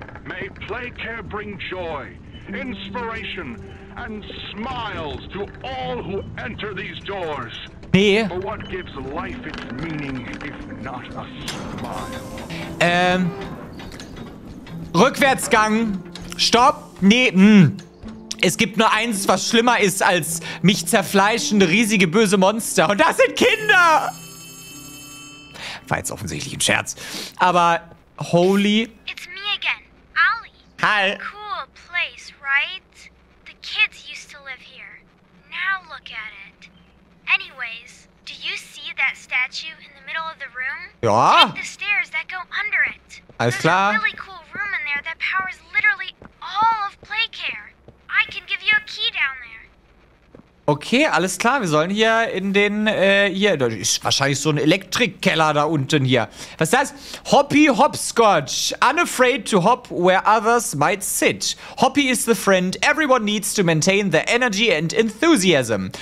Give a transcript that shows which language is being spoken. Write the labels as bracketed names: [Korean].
[English] May Playcare bring joy, inspiration, and smiles to all who enter these doors. [German] Nee. [English] For what gives life its meaning if not a smile? [German] Rückwärtsgang. Stopp. Nee. Es gibt nur eins, was schlimmer ist als mich zerfleischende riesige böse Monster. Und das sind Kinder! War jetzt offensichtlich ein Scherz. Aber holy. [English] It's me again, Ali. Hi. Cool place, right? The kids used to live here. Now look at it. Anyways, do you see that statue in the middle of the room? [German] Ja. [English] Take the stairs that go under it. [German] Alles [English] There's [German] klar. [English] There's a really cool room in there that powers literally all of Playcare. I can give you a key down there. [German] Okay, alles klar, wir sollen hier in den, hier, da ist wahrscheinlich so ein Elektrikkeller da unten hier. Was ist das? [English] Hoppy Hopscotch, unafraid to hop where others might sit. Hoppy is the friend everyone needs to maintain their energy and enthusiasm.